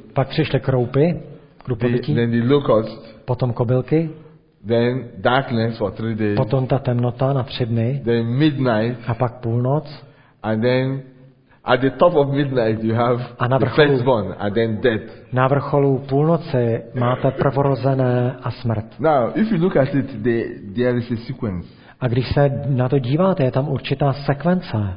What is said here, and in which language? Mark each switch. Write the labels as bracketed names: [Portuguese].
[Czech] Pak přišly kroupy. [English] Then the locust. [Czech] Potom kobylky. [English] Then darkness for 3 days. [Czech] Potom ta temnota na 3 dny. [English] Then midnight. [Czech] A pak půlnoc. [English] And then at the top of midnight you have a the firstborn and then death. [Czech] Na vrcholu půlnoci máte prvorozené a smrt. [English] Now if you look at it, there is a sequence. [Czech] A když se na to díváte, je tam určitá sekvence.